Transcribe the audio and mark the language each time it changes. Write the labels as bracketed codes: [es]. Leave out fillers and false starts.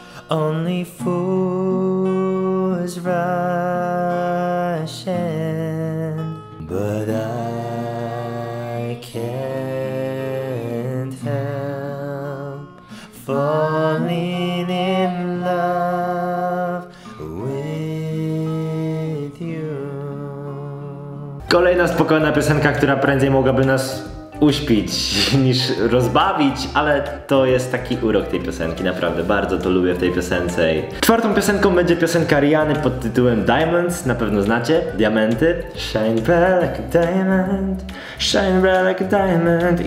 [en] Only fools rush in, but I can't help falling in love with you. [pl] Kolejna spokojna piosenka, która prędzej mogłaby nas uśpić niż rozbawić, ale to jest taki urok tej piosenki, naprawdę bardzo to lubię w tej piosence. Czwartą piosenką będzie piosenka Rihanny pod tytułem Diamonds, na pewno znacie, diamenty. [en] Shine bright like a diamond, shine bright like a diamond.